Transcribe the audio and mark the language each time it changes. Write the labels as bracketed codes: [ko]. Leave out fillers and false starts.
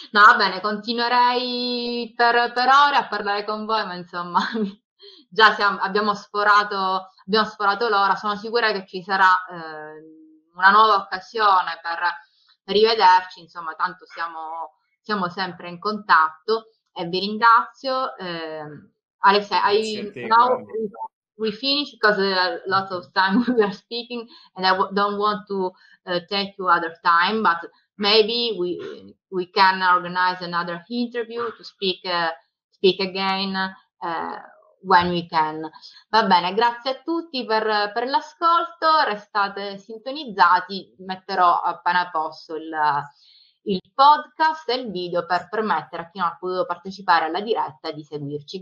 [it] No, va bene, continuerei per ore a parlare con voi, ma insomma, già siamo, abbiamo sforato l'ora. Sono sicura che ci sarà una nuova occasione per rivederci, insomma, tanto siamo sempre in contatto e vi ringrazio. Alessia, Grazie a te, [en] now Claudio. we finish because lots of time we are speaking and I don't want to take you other time, but maybe we can organize another interview to speak again when we can. [it] Va bene, grazie a tutti per l'ascolto, restate sintonizzati, metterò appena posto il podcast e il video per permettere a chi non ha potuto partecipare alla diretta di seguirci.